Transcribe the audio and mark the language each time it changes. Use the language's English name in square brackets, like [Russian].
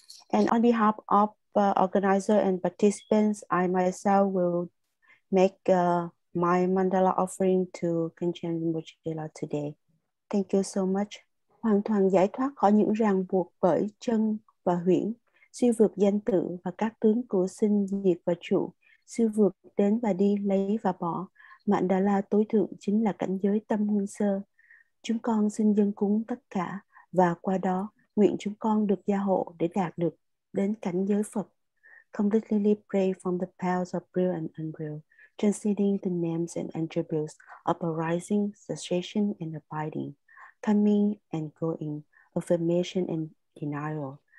[English] And on behalf of organizer and participants, I myself will make my mandala offering to Khenchen today. Thank you so much. [Vietnamese] Hoàn toàn giải thoát khỏi những ràng buộc bởi chân và huyễn, siêu vượt danh tự và các tướng của sinh diệt và trụ, siêu vượt đến và đi, lấy và bỏ. Mandala tối thượng chính là cảnh giới tâm nguyên sơ. Chúng con xin dâng cúng tất cả và qua đó nguyện chúng con được gia hộ để đạt được đến cảnh giới Phật. [English] Completely pray from the powers of real and unreal, transcending the names and attributes of arising, cessation and abiding, coming and going, affirmation and denial.